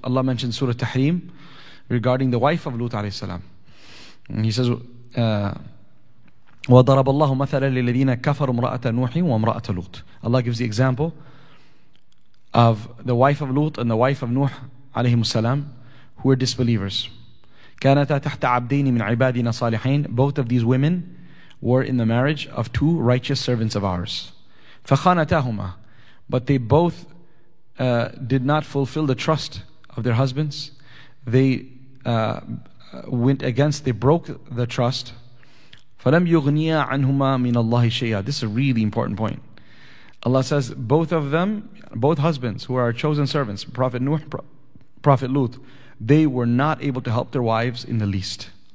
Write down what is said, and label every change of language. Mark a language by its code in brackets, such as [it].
[en] Allah mentioned Surah Tahrim regarding the wife of Lut alayhi salam. He says, [ar] وَضَرَبَ اللَّهُ مَثَلًا لِلَّذِينَ كَفَرُوا امْرَأَةَ نُوحٍ وَامْرَأَةَ لُوتٍ. [en] Allah gives the example of the wife of Lut and the wife of Nuh alayhi salam, who were disbelievers. [ar] كانتا تحت عبدين من عبادنا صالحين. [en] Both of these women were in the marriage of two righteous servants of ours. [ar] فخانتاهما. [en] But they both did not fulfill the trust of their husbands. They they broke the trust. [ar] فلم يغنيا عنهما من الله شيئا. [en] This is a really important point. Allah says both of them, both husbands who are chosen servants, Prophet Nuh, Prophet Lut, they were not able to help their wives in the least.